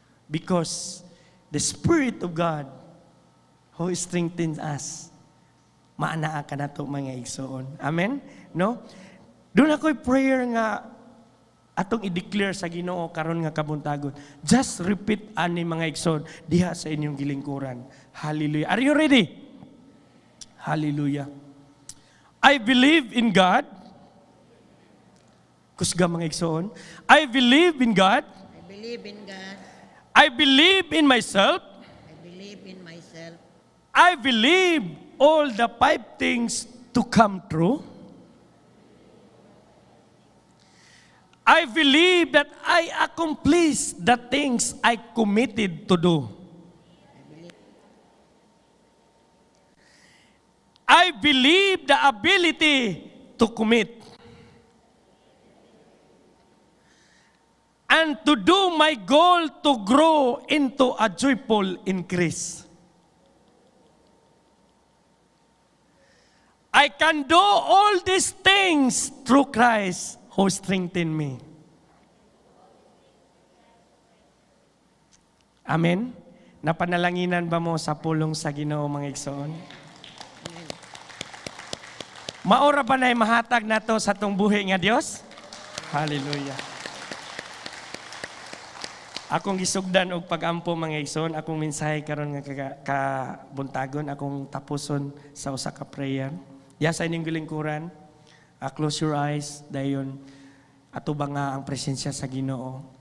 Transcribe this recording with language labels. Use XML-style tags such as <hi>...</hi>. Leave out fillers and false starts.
<en>Because the Spirit of God who strengthens us.</en> <ceb>Maanaa ka na ito, mga igsoon.</ceb> <en>Amen? No?</en> <ceb>Doon ako'y prayer nga atong i-declare sa Ginoo karon nga kabuntagon.</ceb> <en>Just repeat</en> <ceb>ani mga igsoon diha sa inyong gilingkuran.</ceb> <en>Hallelujah. Are you ready? Hallelujah. I believe in God.</en> <ceb>Kusga mga igsoon.</ceb> <en>I believe in God. I believe in God. I believe in myself. I believe all the 5 things to come true. I believe that I accomplish the things I committed to do. believe the ability to commit and to do my goal to grow into a joyful increase. I can do all these things through Christ who strengthened me. Amen.</en> <ceb>Napanalanginan ba mo sa pulong sa Ginoo, mga Igsoon? Maura ba na'y mahatag na to sa itong buhay nga Diyos? Hallelujah. Akong gisugdan og pag-ampo, mga Igsoon. Akong mensahe karon nga kabuntagon. Akong tapuson sa usa ka prayer. Yes, ay ning gilingkuran.</ceb> <en>Close your eyes.</en> <ceb>Dayon, atubanga ang presensya sa Ginoo.</ceb>